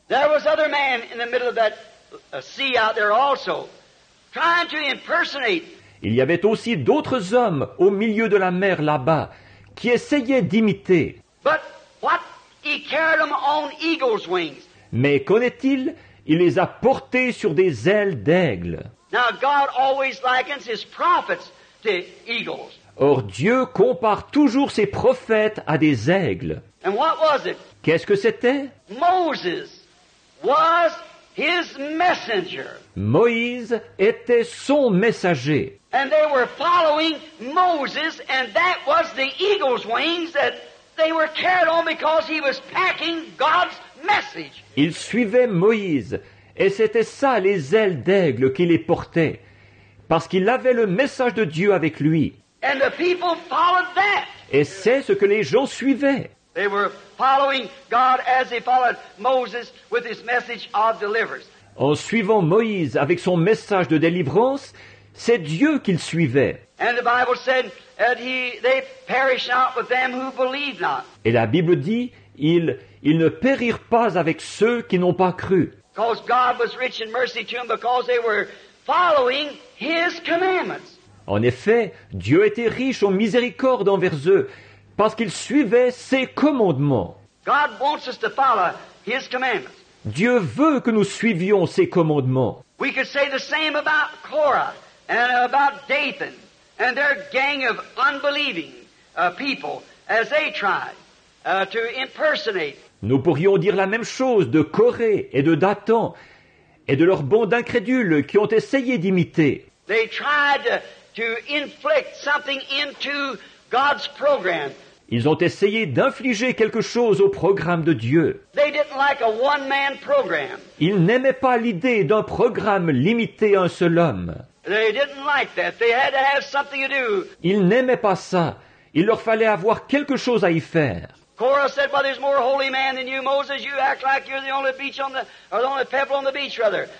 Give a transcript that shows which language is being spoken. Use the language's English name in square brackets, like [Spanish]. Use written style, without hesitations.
[English] There was other man in the middle of that sea out there also, trying to impersonate. [French] Il y avait aussi d'autres hommes au milieu de la mer là-bas, qui essayaient d'imiter. [English] But what? He carried them on eagle's wings. [French] Mais qu'en est-il? Il les a portés sur des ailes d'aigle. [English] Now God always likens his prophets to eagles. [French] Or Dieu compare toujours ses prophètes à des aigles. [English] And what was it? [French] Qu'est-ce que c'était? [English] Moses was his messenger. [French] Moïse était son messager. [English] And they were following Moses, and that was the eagle's wings that they were carried on because he was packing God's message. [French] Ils suivaient Moïse, et c'était ça les ailes d'aigle qui les portaient, parce qu'il avait le message de Dieu avec lui. [English] And the people followed that. [French] Et c'est ce que les gens suivaient. [English] They were following God as they followed Moses with his message of deliverance. [French] En suivant Moïse avec son message de délivrance, c'est Dieu qu'il suivait. [English] And the Bible said that they perish not with them who believe not. [French] Et la Bible dit, ils ne périrent pas avec ceux qui n'ont pas cru. [English] Because God was rich in mercy to them because they were following his commandments. [French] En effet, Dieu était riche en miséricorde envers eux parce qu'ils suivaient ses commandements. [English] God wants us to follow his commandments. [French] Dieu veut que nous suivions ses commandements. [English] We could say the same about Korah. And about Dathan and their gang of unbelieving people as they tried to impersonate. [French] Nous pourrions dire la même chose de Corée et de Dathan et de leur bande incrédule qui ont essayé d'imiter. [English] They tried to inflict something into God's program. [French] Ils ont essayé d'infliger quelque chose au programme de Dieu. [English] They didn't like a one-man program. [French] Ils n'aimaient pas l'idée d'un programme limité à un seul homme. [English] They didn't like that. They had to have something to do. [French] Ils n'aimaient pas ça. Il leur fallait avoir quelque chose à y faire. [English] Korah said, "Well, there's more holy man than you, Moses. You act like you're the only beach on the, or the only pebble on the beach, rather."